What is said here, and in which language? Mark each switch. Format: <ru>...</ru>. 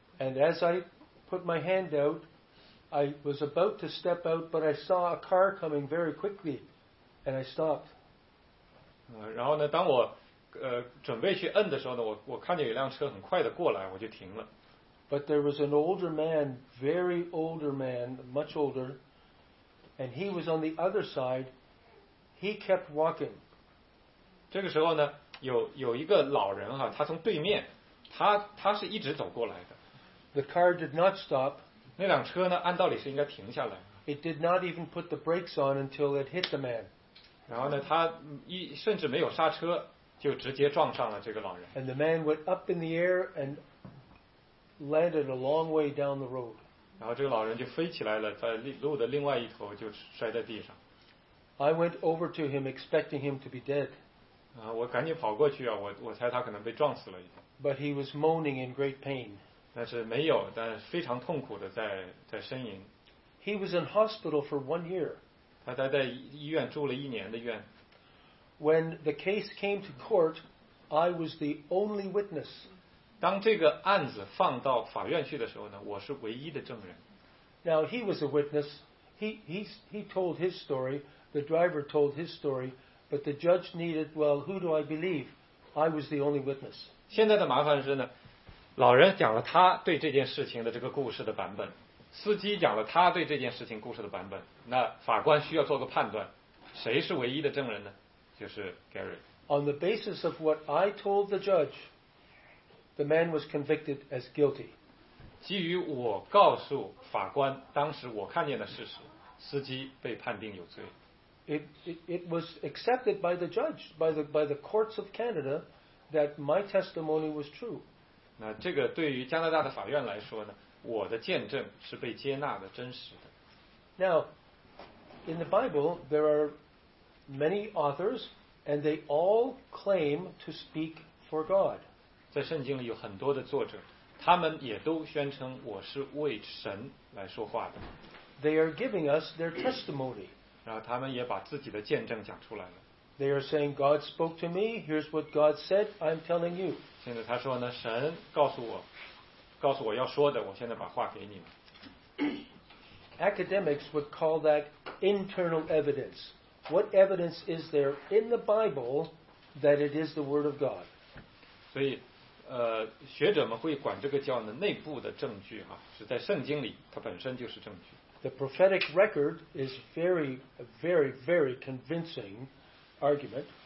<en>And as I put my hand out, I was about to step out, but I saw a car coming very quickly, and I stopped.</en> <zh>然后呢，当我准备去摁的时候呢，我看见有辆车很快的过来，我就停了。</zh> <en>But there was an older man, very older man, much older. And he was on the other side. He kept walking.</en> <zh>这个时候呢，有一个老人哈，他从对面，他是一直走过来的。</zh> <en>The car did not stop.</en> <zh>那辆车呢，按道理是应该停下来。</zh> <en>It did not even put the brakes on until it hit the man.</en> <zh>然后呢，他甚至没有刹车，就直接撞上了这个老人。</zh> <en>And the man went up in the air and landed a long way down the road.</en> <zh>然后这个老人就飞起来了，在路的另外一头就摔在地上。</zh> <en>I went over to him, expecting him to be dead.</en> <zh>我赶紧跑过去啊，我猜他可能被撞死了已经。</zh> <en>But he was moaning in great pain.</en> <zh>但是没有，但是非常痛苦的在呻吟。</zh> <en>He was in hospital for 1 year.</en> <zh>他待在医院住了一年的院。</zh> <en>When the case came to court, I was the only witness.</en> <zh>当这个案子放到法院去的时候呢，我是唯一的证人。</zh> <en>Now he was a witness. He told his story. The driver told his story. But the judge needed, well, who do I believe? I was the only witness.</en> <zh>现在的麻烦是呢，老人讲了他对这件事情的这个故事的版本，司机讲了他对这件事情故事的版本。那法官需要做个判断，谁是唯一的证人呢？就是 Gary.</zh> <en>On the basis of what I told the judge. The man was convicted as guilty.</en> <zh>基于我告诉法官当时我看见的事实，司机被判定有罪。</zh> <en>It was accepted by the judge, by the courts of Canada, that my testimony was true.</en> <zh>那这个对于加拿大的法院来说呢，我的见证是被接纳的真实的。</zh> <en>Now, in the Bible, there are many authors, and they all claim to speak for God.</en> <zh>在圣经里有很多的作者，他们也都宣称我是为神来说话的。</zh> <en>They are giving us their testimony.</en> <zh>然后他们也把自己的见证讲出来了。</zh> <en>They are saying God spoke to me. Here's what God said. I'm telling you.</en> <zh>现在他说呢，神告诉我要说的，我现在把话给你们。</zh> <en>Academics would call that internal evidence. What evidence is there in the Bible that it is the word of God?</en> <zh>所以。学者们会管这个叫呢内部的证据哈、啊，是在圣经里，它本身就是证据。</zh> <en>The prophetic record is very, very, very convincing argument.</en>